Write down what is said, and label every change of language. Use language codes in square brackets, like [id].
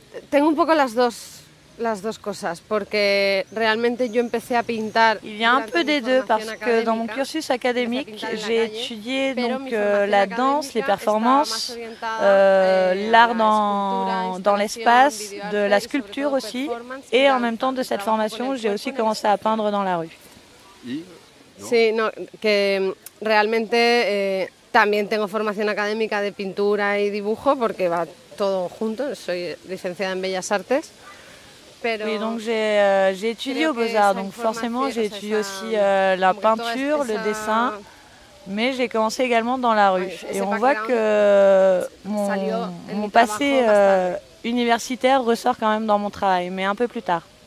[es] Tengo un poco las dos cosas, porque realmente yo empecé a pintar. [fr] Il y a un peu des deux, parce que dans mon cursus académique, j'ai étudié donc la danse, les performances, l'art dans l'espace, de la sculpture aussi, et en même temps de cette formation, j'ai aussi commencé à peindre dans la rue. [es] Sí, no, que realmente también tengo formación académica de pintura y dibujo, porque va todo junto. Soy licenciada en Bellas Artes. [fr] Oui, donc j'ai étudié au Beaux-Arts, donc forcément j'ai étudié aussi la peinture, le dessin, mais j'ai commencé également dans la rue. Et on voit que mon passé universitaire ressort quand même dans mon travail, mais un peu plus tard.